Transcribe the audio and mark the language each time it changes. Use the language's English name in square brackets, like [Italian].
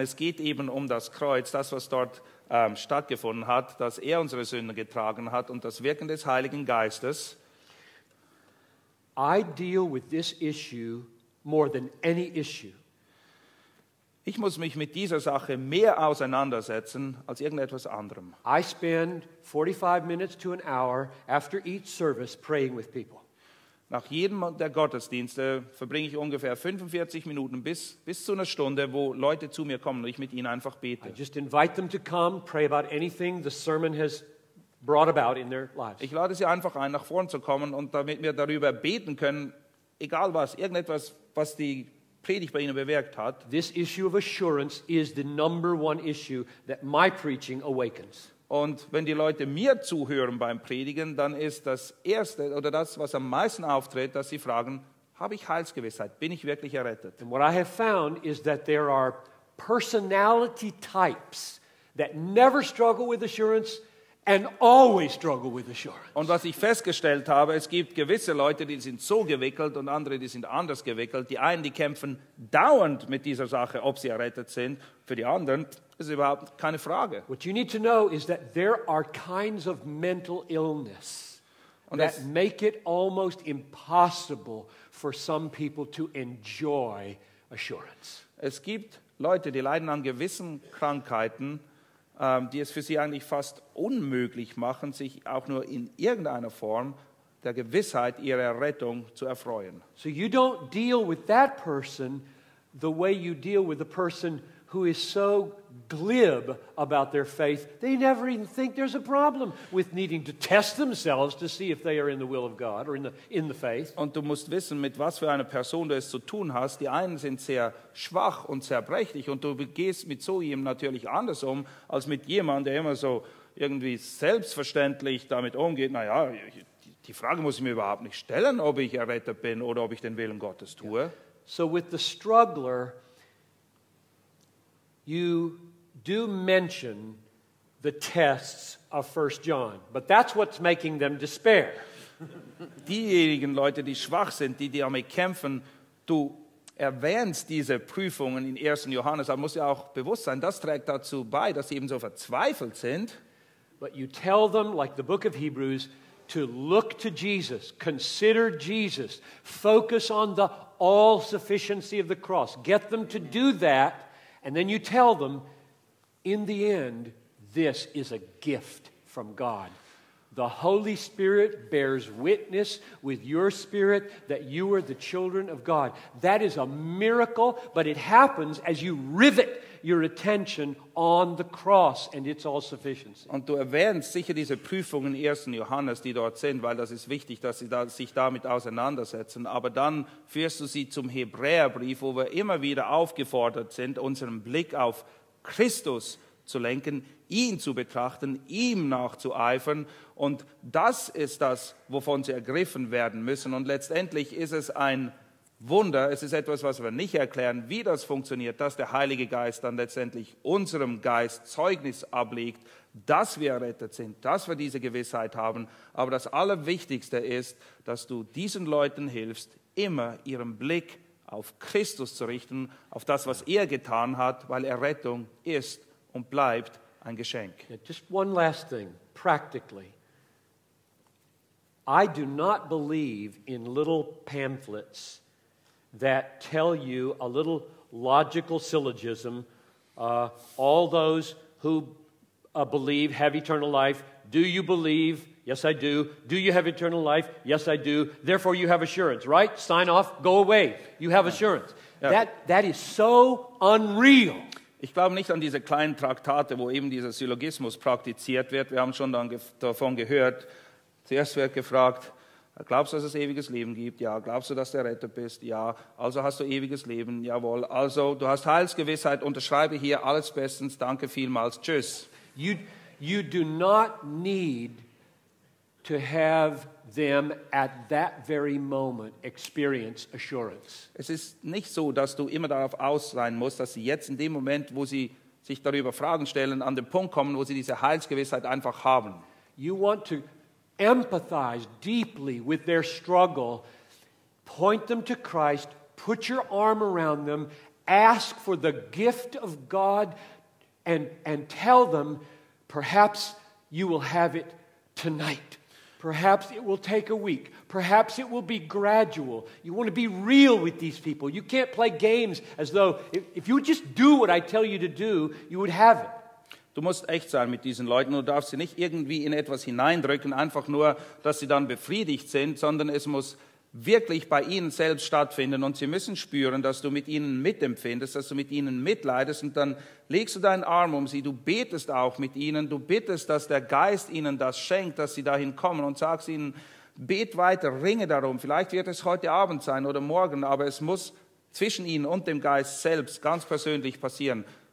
[German] Es geht eben um das Kreuz, das, was dort stattgefunden hat, dass er unsere Sünden getragen hat und das Wirken des Heiligen Geistes. [English] I deal with this issue more than any issue. [German] Ich muss mich mit dieser Sache mehr auseinandersetzen als irgendetwas anderem. [English] I spend 45 minutes to an hour after each service praying with people. [German] Nach jedem der Gottesdienste verbringe ich ungefähr 45 Minuten bis zu einer Stunde, wo Leute zu mir kommen und ich mit ihnen einfach bete. [English] I just invite them to come, pray about anything the sermon has brought about in their lives. [German] Ich lade sie einfach ein, nach vorn zu kommen und damit wir darüber beten können, egal was, irgendetwas, was die Predigt bei ihnen bewirkt hat. [English] This issue of assurance is the number one issue that my preaching awakens. [German] Und wenn die Leute mir zuhören beim Predigen, dann ist das Erste oder das, was am meisten auftritt, dass sie fragen, Habe ich Heilsgewissheit? Bin ich wirklich errettet? [English] And what I have found is that there are personality types that never struggle with assurance and always struggle with assurance. [German] Und was ich festgestellt habe, es gibt gewisse Leute, die sind so gewickelt und andere, die sind anders gewickelt. Die einen, die kämpfen dauernd mit dieser Sache, ob sie errettet sind. Für die anderen ist es überhaupt keine Frage. [English] What you need to know is that there are kinds of mental illness that make it almost impossible for some people to enjoy assurance. [German] Es gibt Leute, die leiden an gewissen Krankheiten, die es für sie eigentlich fast unmöglich machen, sich auch nur in irgendeiner Form der Gewissheit ihrer Rettung zu erfreuen. [English] So you don't deal with that person the way you deal with the person who is so glib about their faith, they never even think there's a problem with needing to test themselves to see if they are in the will of God or in the faith. [German] Und du musst wissen, mit was für einer Person du es zu tun hast. Die einen sind sehr schwach und zerbrechlich und du gehst mit so jemandem natürlich anders um, als mit jemandem, der immer so irgendwie selbstverständlich damit umgeht. Naja, die Frage muss ich mir überhaupt nicht stellen, ob ich errettet bin oder ob ich den Willen Gottes tue. [English] Yeah. So with the struggler, you do mention the tests of 1 John, but that's what's making them despair. [German] Diejenigen Leute, die schwach sind, die damit kämpfen, du erwähnst diese Prüfungen in 1. Johannes, aber muss ja auch bewusst sein, das trägt dazu bei, dass sie eben so verzweifelt sind. [English] But you tell them, like the book of Hebrews, to look to Jesus, consider Jesus, focus on the all-sufficiency of the cross. Get them to do that. And then you tell them, in the end, this is a gift from God. The Holy Spirit bears witness with your spirit that you are the children of God. That is a miracle, but it happens as you rivet your attention on the cross and its all-sufficiency. [German] Und du erwähnst sicher diese Prüfungen in 1. Johannes, die dort sind, weil das ist wichtig, dass sie sich damit auseinandersetzen. Aber dann führst du sie zum Hebräerbrief, wo wir immer wieder aufgefordert sind, unseren Blick auf Christus zu lenken, ihn zu betrachten, ihm nachzueifern. Und das ist das, wovon sie ergriffen werden müssen. Und letztendlich ist es ein Wunder, es ist etwas, was wir nicht erklären, wie das funktioniert, dass der Heilige Geist dann letztendlich unserem Geist Zeugnis ablegt, dass wir errettet sind, dass wir diese Gewissheit haben. Aber das Allerwichtigste ist, dass du diesen Leuten hilfst, immer ihren Blick auf Christus zu richten, auf das, was er getan hat, weil Errettung ist und bleibt ein Geschenk. [English] Just one last thing, practically. I do not believe in little pamphlets that tell you a little logical syllogism. All those who believe have eternal life. Do you believe? Yes, I do. Do you have eternal life? Yes, I do. Therefore, you have assurance, right? Sign off, go away. You have assurance. [German] Ja. [English] That is so unreal. [German] Ich glaube nicht an diese kleinen Traktate, wo eben dieser Syllogismus praktiziert wird. Wir haben schon davon gehört. Zuerst wird gefragt, glaubst du, dass es ewiges Leben gibt? Ja. Glaubst du, dass du Retter bist? Ja. Also hast du ewiges Leben? Jawohl. Also, du hast Heilsgewissheit. Unterschreibe hier alles bestens. Danke vielmals. Tschüss. [English] You do not need to have them at that very moment experience assurance. [German] Es ist nicht so, dass du immer darauf aus sein musst, dass sie jetzt in dem Moment, wo sie sich darüber Fragen stellen, an den Punkt kommen, wo sie diese Heilsgewissheit einfach haben. [English] You want to empathize deeply with their struggle, point them to Christ, put your arm around them, ask for the gift of God, and tell them, perhaps you will have it tonight. Perhaps it will take a week. Perhaps it will be gradual. You want to be real with these people. You can't play games as though, if you would just do what I tell you to do, you would have it. [German] Du musst echt sein mit diesen Leuten. Du darfst sie nicht irgendwie in etwas hineindrücken, einfach nur, dass sie dann befriedigt sind, sondern es muss wirklich bei ihnen selbst stattfinden und sie müssen spüren, dass du mit ihnen mitempfindest, dass du mit ihnen mitleidest und dann legst du deinen Arm um sie, du betest auch mit ihnen, du bittest, dass der Geist ihnen das schenkt, dass sie dahin kommen und sagst ihnen, bet weiter, ringe darum, vielleicht wird es heute Abend sein oder morgen, aber es muss zwischen ihnen und dem Geist selbst ganz persönlich passieren.